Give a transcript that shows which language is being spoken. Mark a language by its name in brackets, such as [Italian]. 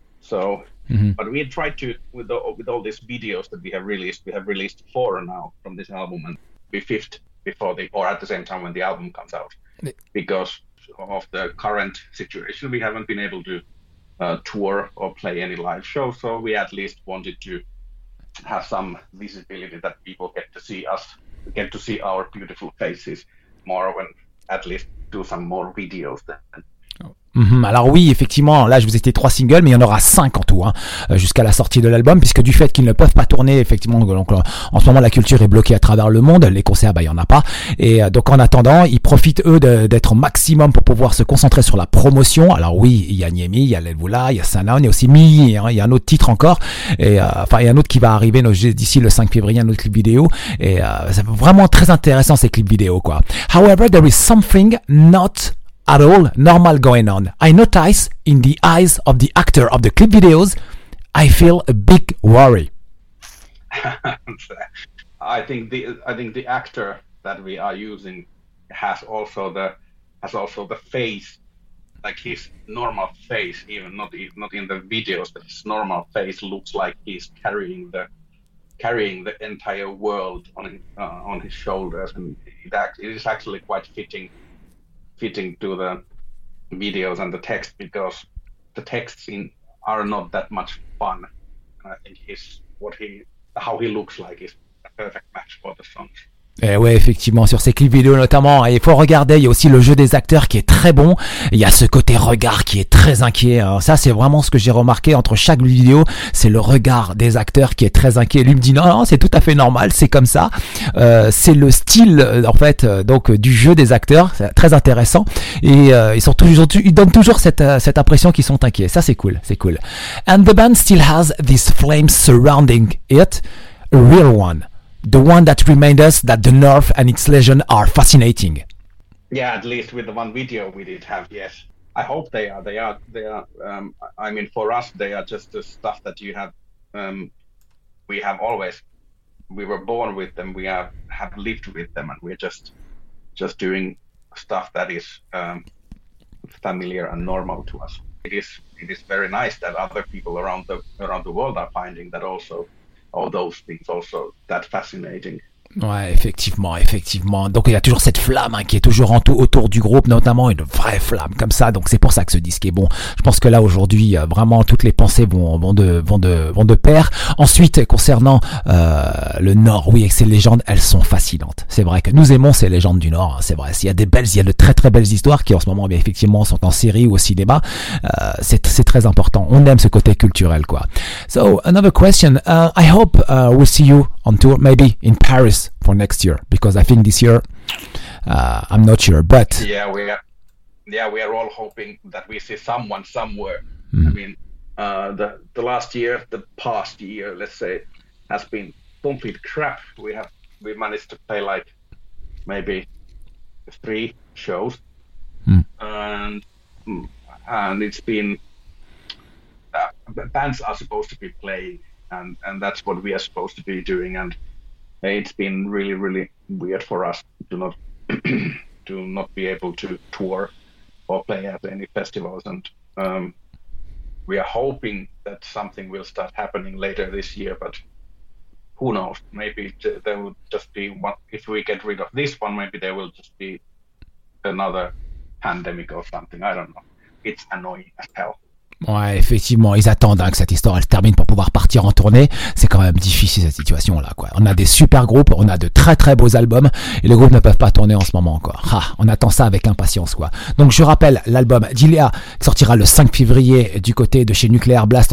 [English] So, but we tried to, with all these videos that we have released four now from this album, and the fifth before the, or at the same time when the album comes out, because of the current situation, we haven't been able to tour or play any live show. So we at least wanted to have some visibility that people get to see us, get to see our beautiful faces more, when at least do some more videos then. [French] Alors oui, effectivement, là je vous ai dit trois singles, mais il y en aura cinq en tout, hein, jusqu'à la sortie de l'album, puisque du fait qu'ils ne peuvent pas tourner, effectivement, donc en ce moment la culture est bloquée à travers le monde, les concerts, bah il y en a pas, et donc en attendant, ils profitent eux d'être au maximum pour pouvoir se concentrer sur la promotion. Alors oui, il y a Niemi, il y a Levula, il y a Sana, il y a aussi Mi, hein, il y a un autre titre encore, et enfin il y a un autre qui va arriver d'ici le 5 février, un autre clip vidéo, et c'est vraiment très intéressant ces clips vidéo, quoi. [English] However, there is something not at all normal going on. I notice in the eyes of the actor of the clip videos, I feel a big worry. I think the actor that we are using has also the face, like his normal face, even not in the videos, but his normal face looks like he's carrying the entire world on his shoulders, and it is actually quite fitting to the videos and the text, because the text scene are not that much fun. I think how he looks like is a perfect match for the songs. [French] Eh ouais, effectivement, sur ces clips vidéo notamment, il faut regarder, il y a aussi le jeu des acteurs qui est très bon, il y a ce côté regard qui est très inquiet, hein. Ça c'est vraiment ce que j'ai remarqué entre chaque vidéo, c'est le regard des acteurs qui est très inquiet. Lui me dit non, c'est tout à fait normal, c'est comme ça, c'est le style en fait, donc du jeu des acteurs, c'est très intéressant, et ils donnent toujours cette impression qu'ils sont inquiets. Ça c'est cool. [English] And the band still has this flame surrounding it, a real one. The one that reminds us that the North and its legion are fascinating. Yeah, at least with the one video we did have, yes. I hope they are. They are. They are. I mean, for us, they are just the stuff that you have. We have always. We were born with them. We have lived with them, and we're just doing stuff that is familiar and normal to us. It is very nice that other people around the world are finding that also. All those things also that fascinating. [French] Ouais, effectivement. Donc il y a toujours cette flamme, hein, qui est toujours autour du groupe, notamment une vraie flamme comme ça. Donc c'est pour ça que ce disque est bon. Je pense que là aujourd'hui, vraiment toutes les pensées vont de pair. Ensuite, concernant le Nord, oui, avec ces légendes, elles sont fascinantes. C'est vrai que nous aimons ces légendes du Nord, hein, c'est vrai. Il y a de très très belles histoires qui en ce moment, bien effectivement, sont en série ou au cinéma. C'est très important. On aime ce côté culturel, quoi. [English] So another question. I hope we'll see you on tour, maybe in Paris. For next year, because I think this year I'm not sure, but yeah, we are all hoping that we see someone somewhere. I mean, the last year, the past year, let's say, has been complete crap. We managed to play like maybe 3 shows, and it's been bands are supposed to be playing, and that's what we are supposed to be doing, and it's been really, really weird for us to not to not be able to tour or play at any festivals, and we are hoping that something will start happening later this year, but who knows? Maybe there will just be one. If we get rid of this one, maybe there will just be another pandemic or something. I don't know. It's annoying as hell. [French] Ouais, effectivement, ils attendent que cette histoire elle se termine pour pouvoir partir en tournée. C'est quand même difficile cette situation là, quoi. On a des super groupes, on a de très très beaux albums, et les groupes ne peuvent pas tourner en ce moment encore. Ah, on attend ça avec impatience, quoi. Donc je rappelle, l'album d'Ilia sortira le 5 février du côté de chez Nuclear Blast.